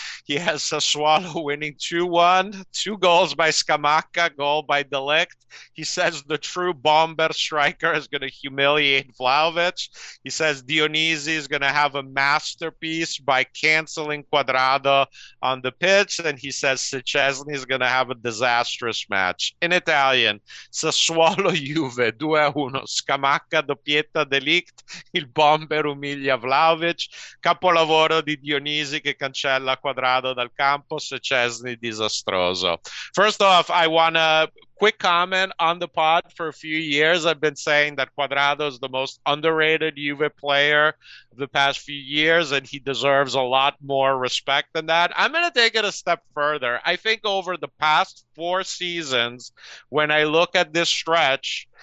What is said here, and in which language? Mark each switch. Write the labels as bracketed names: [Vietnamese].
[English] He has Sassuolo winning 2-1. Two goals by Scamacca, goal by De Ligt. He says the true bomber striker is going to humiliate Vlahovic. He says Dionisi is going to have a masterpiece by canceling Cuadrado on the pitch. And he says Szczesny is going to have a disastrous match. In Italian, [Italian] Sassuolo Juve 2-1, Scamacca doppietta De Ligt, il bomber umilia Vlahovic, capolavoro di Dionisi che cancella Cuadrado dal campo, Szczesny disastroso. [English] First off, I want to quick comment on the pod. For a few years, I've been saying that Cuadrado is the most underrated Juve player of the past few years, and he deserves a lot more respect than that. I'm going to take it a step further. I think over the past four seasons, when I look at this stretch,